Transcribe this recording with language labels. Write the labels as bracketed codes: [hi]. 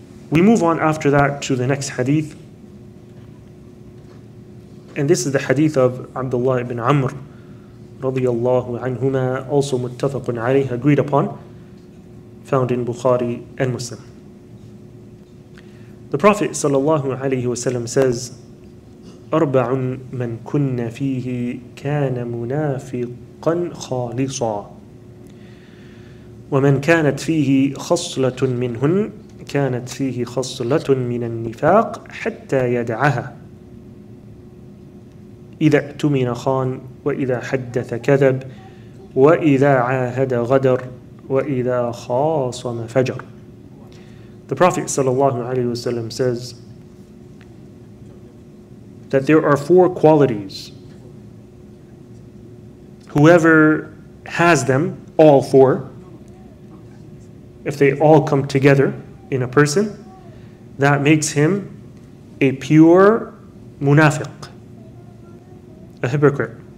[en] We move on after that to the next hadith. And this is the hadith of Abdullah ibn Amr radiyallahu anhuma, also muttafaqun alayhi, agreed upon, found in Bukhari and Muslim. The Prophet sallallahu alayhi wa sallam says, [ar] أَرْبَعٌ مَنْ كُنَّ فِيهِ كَانَ مُنَافِقًا خَالِصًا وَمَنْ كَانَتْ فِيهِ خَصْلَةٌ مِنْهُنْ كَانَتْ فِيهِ خَصْلَةٌ مِنَ النِّفَاقِ حَتَّى يَدْعَهَا إِذَا اْتُمِنَ خَانْ وَإِذَا حَدَّثَ كَذَبْ وَإِذَا عَاهَدَ غَدَرْ وَإِذَا خَاصَمَ فَجَرْ. [en] The Prophet sallallahu alayhi wa sallam says that there are four qualities. Whoever has them, all four, if they all come together in a person, that makes him a pure munafiq, a hypocrite.